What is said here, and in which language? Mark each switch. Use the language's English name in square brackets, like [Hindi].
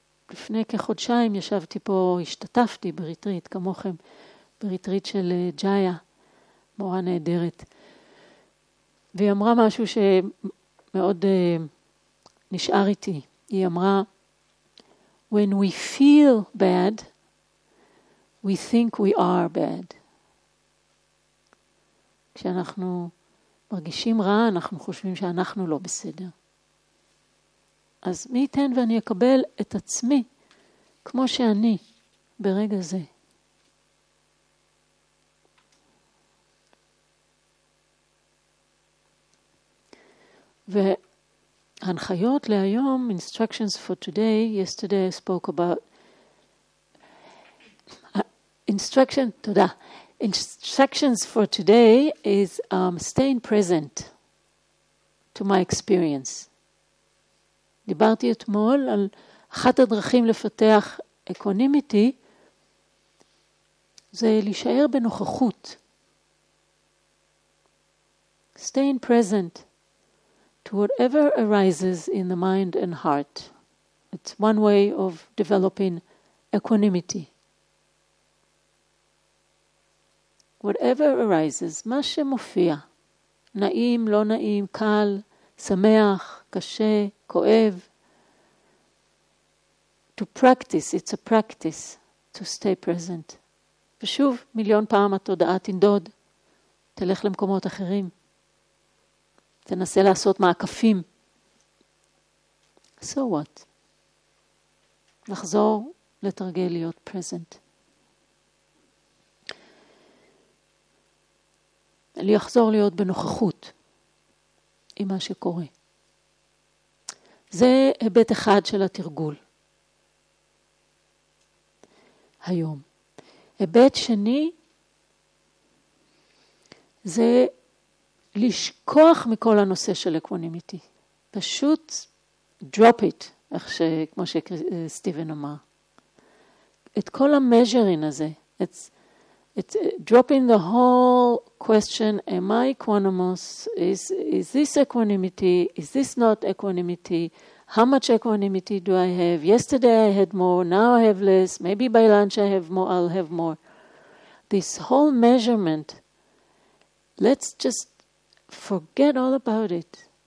[Hebrew] לפני כחודשיים ישבתי פה, השתתפתי בריטריט, כמוכם, בריטריט של ג'איה, מורה נהדרת. והיא אמרה משהו שמאוד נשאר איתי. היא אמרה, [English] When we feel bad, we think we are bad. [Hebrew] כשאנחנו מרגישים רע, אנחנו חושבים שאנחנו לא בסדר. אז מי ייתן ואני אקבל את עצמי, כמו שאני, ברגע זה. והנחיות להיום, [English] instructions for today, yesterday I spoke about instructions for today is staying present to my experience. [Hebrew] דיברתי אתמול על אחת הדרכים לפתח אקונימיטי זה להישאר בנוכחות. [English] Staying present to whatever arises in the mind and heart. It's one way of developing equanimity. Whatever arises, [Hebrew] מה שמופיע, נעים, לא נעים, קל, שמח, קשה, כואב, [English] to practice, it's a practice to stay present. [Hebrew] ושוב, מיליון פעם התודעה תנדוד, תלך למקומות אחרים, תנסה לעשות מעקפים. [English] So what? [Hebrew] נחזור לתרגל להיות present. לחזור להיות בנוכחות עם מה שקורה. זה היבט אחד של התרגול. היום. היבט שני זה לשכוח מכל הנושא של אקוונימיטי. פשוט [English] drop it, [Hebrew] כמו שסטיבן אמר. את כל המז'רין הזה. [English] It's dropping the whole question, am I equanimous? Is this equanimity? Is this not equanimity? How much equanimity do I have? Yesterday I had more, now I have less. Maybe by lunch I have more, I'll have more. This whole measurement, let's just forget all about it.